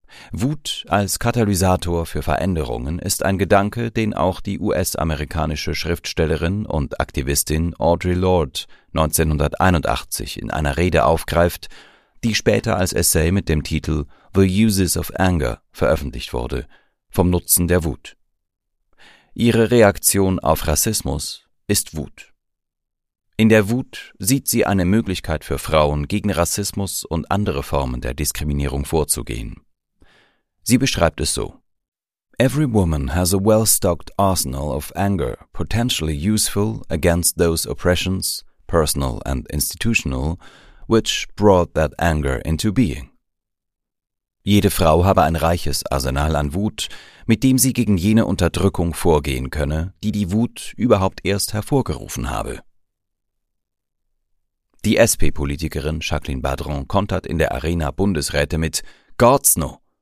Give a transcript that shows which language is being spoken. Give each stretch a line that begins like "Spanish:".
German: Wut als Katalysator für Veränderungen ist ein Gedanke, den auch die US-amerikanische Schriftstellerin und Aktivistin Audre Lorde 1981 in einer Rede aufgreift, die später als Essay mit dem Titel »
English: The Uses of Anger«
German: veröffentlicht wurde, vom Nutzen der Wut. Ihre Reaktion auf Rassismus ist Wut. In der Wut sieht sie eine Möglichkeit für Frauen, gegen Rassismus und andere Formen der Diskriminierung vorzugehen. Sie beschreibt es so:
English: Every woman has a well-stocked arsenal of anger, potentially useful against those oppressions, personal and institutional, which brought that anger into being.
German: Jede Frau habe ein reiches Arsenal an Wut, mit dem sie gegen jene Unterdrückung vorgehen könne, die die Wut überhaupt erst hervorgerufen habe. Die SP-Politikerin Jacqueline Badron kontert in der Arena Bundesräte mit »God's no«.